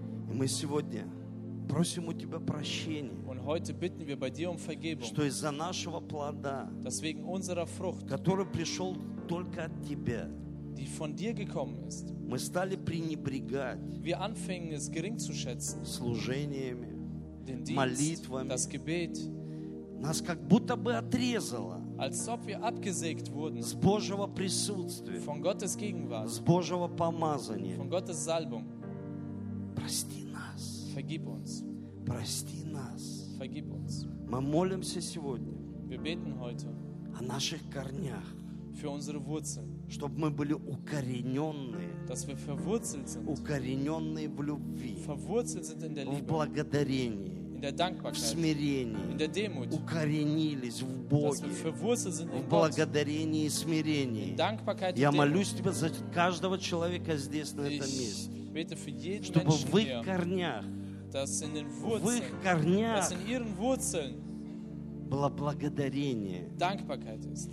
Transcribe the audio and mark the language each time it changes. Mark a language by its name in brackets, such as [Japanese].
[Russian] И мы сегодня просим у тебя прощения, что из-за нашего плода, [German] Frucht, [Russian] который пришел только от тебя, [German] die von dir gekommen ist, [Russian] мы стали пренебрегать [German] wir anfingen, es gering zu schätzen, [Russian] служениями, [German] den Dienst, [Russian] молитвами. [German] Das Gebet. [Russian] Нас как будто бы отрезало. [German] Als ob wir abgesägt wurden. [Russian] С Божьего присутствия. [German] Von Gottes Gegenwart. [Russian] С Божьего помазания. [German] Von Gottes Salbung. [Russian] Прости нас. [German] Vergib uns. [Russian] Прости нас. [German] Vergib uns. [Russian] Мы молимся сегодня. [German] Wir beten heute. [Russian] О наших корнях. [German] Für unsere Wurzeln. [Russian] Чтобы мы были укорененные. [German] Dass wir verwurzelt sind. [Russian] Укорененные в любви. [German] Verwurzelt sind in der Liebe. [Russian] В благодарении. [German] In der Dankbarkeit, [Russian] в смирении, [German] in der Demut, [Russian] укоренились в Боге, [German] dass wir verwurzelt sind [Russian] в благодарении и смирении. [German] In Dankbarkeit, [Russian] я молюсь Тебя за каждого человека здесь, на этом месте, [German] bete für jeden, [Russian] чтобы [German] Menschen [Russian] в их корнях, [German] dass in den Wurzeln, [Russian] в их корнях, [German] dass in ihren Wurzeln [Russian] было благодарение, [German] Dankbarkeit ist,